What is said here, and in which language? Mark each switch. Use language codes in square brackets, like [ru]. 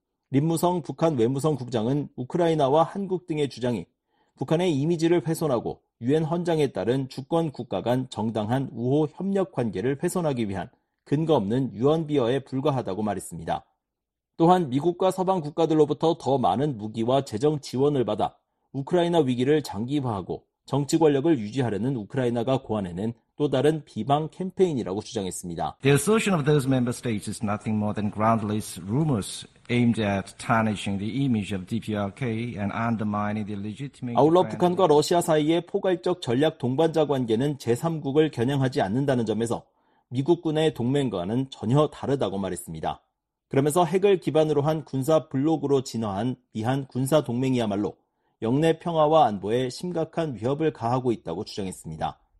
[ko] 림무성 북한 외무성 국장은 우크라이나와 한국 등의 주장이 북한의 이미지를 훼손하고 유엔 헌장에 따른 주권 국가 간 정당한 우호 협력 관계를 훼손하기 위한 근거 없는 유언비어에 불과하다고 말했습니다. 또한 미국과 서방 국가들로부터 더 많은 무기와 재정 지원을 받아 우크라이나 위기를 장기화하고 정치 권력을 유지하려는 우크라이나가 고안해낸 또 다른 비방 캠페인이라고 주장했습니다. [en] The assertion of those member states is nothing more than groundless rumors aimed at tarnishing the image of DPRK and undermining the legitimate. [ko] 아울러 북한과 러시아 사이의 포괄적 전략 동반자 관계는 제3국을 겨냥하지 않는다는 점에서 미국군의 동맹과는 전혀 다르다고 말했습니다. 그러면서 핵을 기반으로 한 군사 블록으로 진화한 미한 군사 동맹이야말로 영내 평화와 안보에 심각한 위협을 가하고 있다고 주장했습니다.